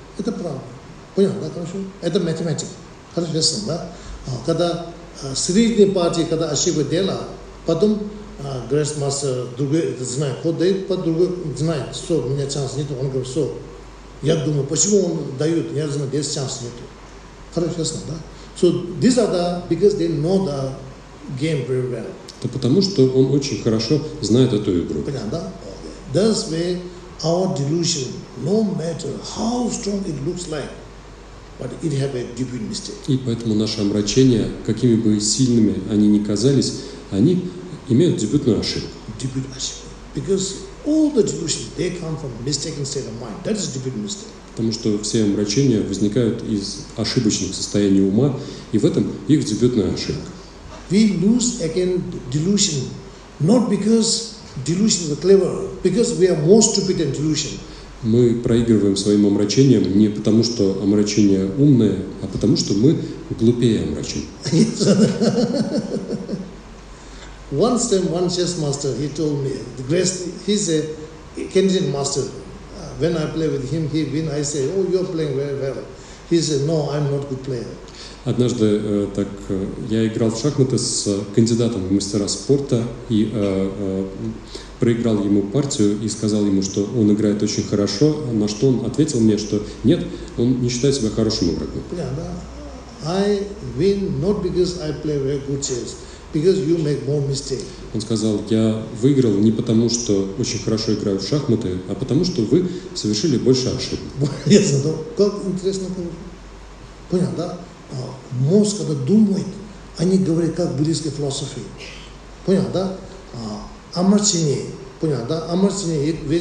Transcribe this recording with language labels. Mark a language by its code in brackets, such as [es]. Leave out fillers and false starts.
[ru] Это правда. Понял, да, хорошо? Это математика. Хорошо, ясно, да? Когда средняя партия, когда ошибка делала, потом грандмастер другой знает, ход дает, под другой знает, что у меня шанс нету. Он говорит, что я думаю, почему он дает, я знаю, здесь шанс нету. Хорошо, ясно, да? [en] So these are the, because they know the game very well. [ru] Это потому, что он очень хорошо знает эту игру. Понятно, да? [en] That's why our delusion, no matter how strong it looks like, but it has a debut mistake. [ru] И поэтому наши омрачения, какими бы сильными они ни казались, они имеют дебютную ошибку. Debut ошибку. [en] Because all the delusions, they come from mistaken state of mind. That is a debut mistake. [ru] Потому что все омрачения возникают из ошибочных состояний ума, и в этом их дебютная ошибка. [en] We lose again delusion, not because delusion is clever, because we are more stupid than delusion. [ru] Мы проигрываем своим омрачением не потому, что омрачение умное, а потому, что мы глупее омрачим. [en] Once time one chess master, he told me, the great, he's a Canadian master. When I play with him, he win, I say, oh, you're playing very well. He said, no, I'm not good player. [ru] Однажды так я играл в шахматы с кандидатом в мастера спорта и проиграл ему партию и сказал ему, что он играет очень хорошо, на что он ответил мне, что нет, он не считает себя хорошим игроком. [en] I win not because I play very good chess, because you make more mistakes. [ru] Он сказал, я выиграл не потому, что очень хорошо играю в шахматы, а потому, что вы совершили больше ошибок. Я задал, как интересно, понял, да? Мозг, когда думает, они говорят, как в буддийской философии. Понял, да? Амарчинья. Понял, да? Амарчинья.